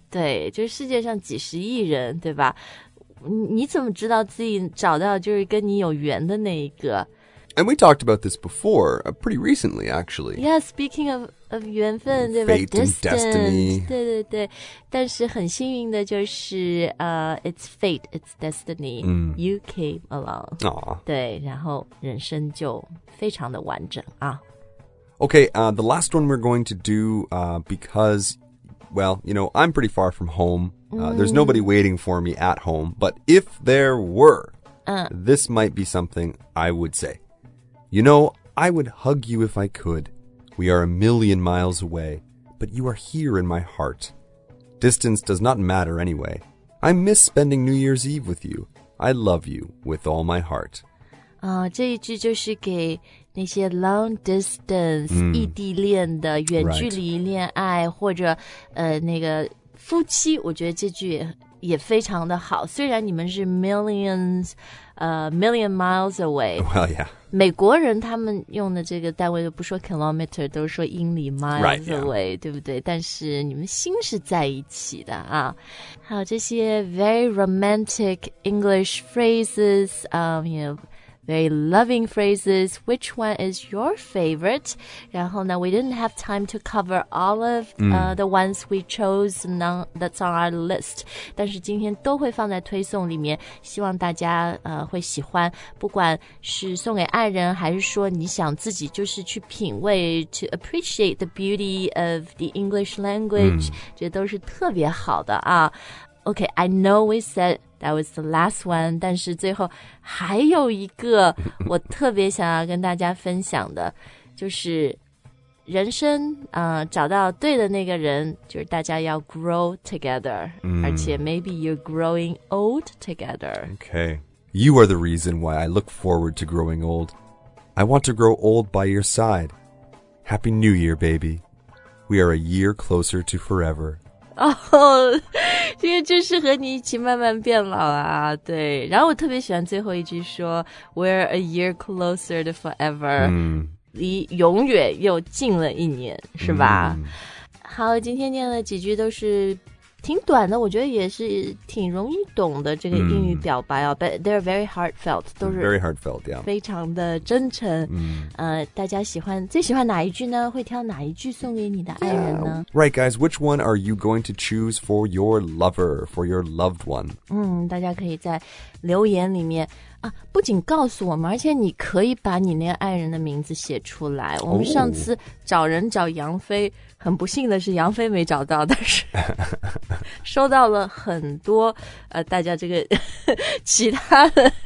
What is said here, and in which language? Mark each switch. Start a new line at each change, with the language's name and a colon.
Chinese: 对，就是世界上几十亿人，对吧？你怎么知道自己找到就是跟你有缘的那一个？
English: And we talked about this before, pretty recently, actually. Yeah, speaking of
Chinese: 缘分，对吧？
English: Fate and destiny.
Chinese: 对对对，但是很幸运的就是
English: it's fate, it's destiny.、 Mm. You came along. Aww.
Chinese: 对，然后人生就非常的完整啊。
English: Okay, the last one we're going to do because, well, you know, I'm pretty far from home.、There's nobody waiting for me at home. But if there were,、this might be something I would say. You know, I would hug you if I could. We are a million miles away, but you are here in my heart. Distance does not matter anyway. I miss spending New Year's Eve with you. I love you with all my heart.
Chinese: 这一句就是给那些
English: long distance、
Chinese: mm. 异地恋的远距离恋爱、
English: right.
Chinese: 或者那个夫妻我觉得这句 也非常的好虽然你们是
English: millions、million miles away well yeah
Chinese: 美国人他们用的这个单位都不说 kilometer 都说英里
English: miles away right,、yeah.
Chinese: 对不对但是你们心是在一起的啊好这些
English: very romantic English phrases you knowVery loving phrases. Which one is your favorite?
Chinese: 然后呢
English: we didn't have time to cover all of、the ones we chose that's on our list.
Chinese: 但是今天都会放在推送里面希望大家、会喜欢不管是送给爱人还是说你想自己就是去品味
English: to appreciate the beauty of the English language.、 Mm.
Chinese: 这都是特别好的啊。
English: Okay, I know we said that was the last one,
Chinese: 但是最后还有一个我特别想要跟大家分享的就是人生、找到对的那个人就是大家要
English: grow together,、 mm.
Chinese: 而且
English: maybe you're growing old together. Okay, you are the reason why I look forward to growing old. I want to grow old by your side. Happy New Year, baby. We are a year closer to forever.
Chinese: 哦，这个就是和你一起慢慢变老啊，对。然后我特别喜欢最后一句说 "We're a year closer to forever"，、离永远又近了一年，是吧？好，今天念了几句都是挺短的，我觉得也是挺容易懂的这个英语表白啊。
English: But they're very heartfelt，
Chinese: 都是
English: very heartfelt， yeah，
Chinese: 非常的真诚。大家喜欢最喜欢哪一句呢？会挑哪一句送给你的爱人呢、
English: yeah. ？Right, guys, which one are you going to choose for your lover, for your loved one？
Chinese: 大家可以在留言里面。啊、不仅告诉我们而且你可以把你那个爱人的名字写出来我们上次找人找杨飞、oh. 很不幸的是杨飞没找到但是收到了很多、大家这个其他的、